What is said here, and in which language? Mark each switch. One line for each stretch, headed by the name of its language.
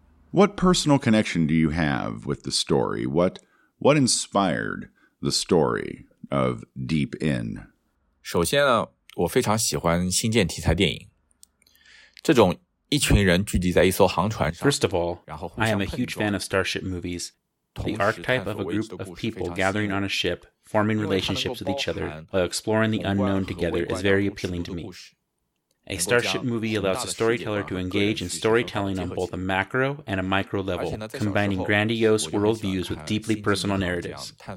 English: What personal connection do you have with the story? What inspired the story of Deep In?
Chinese: 首先呢，我非常喜欢星舰题材电影。这种一群人聚集在一艘航船上。
English: First of all, I am a huge fan of starship movies. The archetype of a group of people gathering on a ship, forming relationships with each other, while exploring the unknown together is very appealing to me. A starship movie allows a storyteller to engage in storytelling on both a macro and a micro level, combining grandiose worldviews with deeply personal narratives.